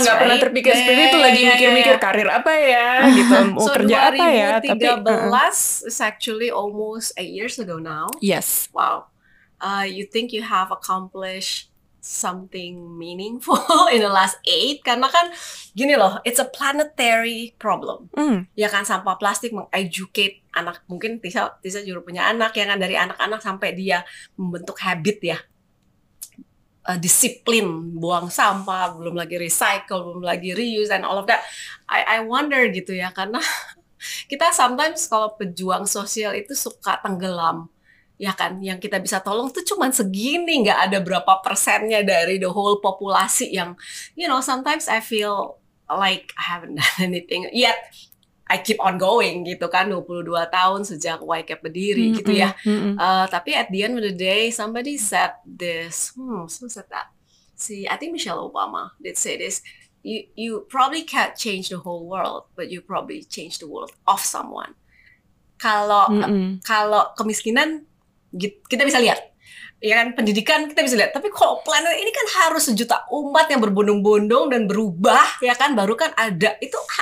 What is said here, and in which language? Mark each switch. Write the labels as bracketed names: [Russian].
[Indonesian] Nggak pernah terpikir seperti itu, lagi mikir-mikir karir apa ya, gitu, mau kerja apa ya. [English] So 2013 is actually almost 8 years ago now. Yes. Wow. You think you have accomplished something meaningful in the last 8? [Indonesian] Karena kan gini loh, [English] it's a planetary problem. [Indonesian] Ya kan, sampah plastik meng-educate anak. Mungkin Tisa juga punya anak, ya kan, dari anak-anak sampai dia membentuk habit ya. Disiplin buang sampah, belum lagi recycle, belum lagi [English] reuse and all of that. I wonder [Indonesian] gitu ya, karena kita [English] sometimes [Indonesian] kalau pejuang sosial itu suka tenggelam. Ya kan, yang kita bisa tolong tuh cuman segini, nggak ada berapa persennya dari [English] the whole [Indonesian] populasi yang, [English] you know, sometimes I feel like I haven't done anything yet. I keep on going [Indonesian] gitu kan, 22 tahun sejak YCAP berdiri gitu ya. Tapi [English] at the end of the day, somebody said this, who said that? Si, I think Michelle Obama did say this, you probably can't change the whole world, but you probably change the world of someone. [Indonesian] Kalau kemiskinan, kita bisa lihat, ya kan, pendidikan kita bisa lihat, tapi kalau planet ini kan harus sejuta umat yang berbondong-bondong dan berubah, ya kan, baru kan ada itu.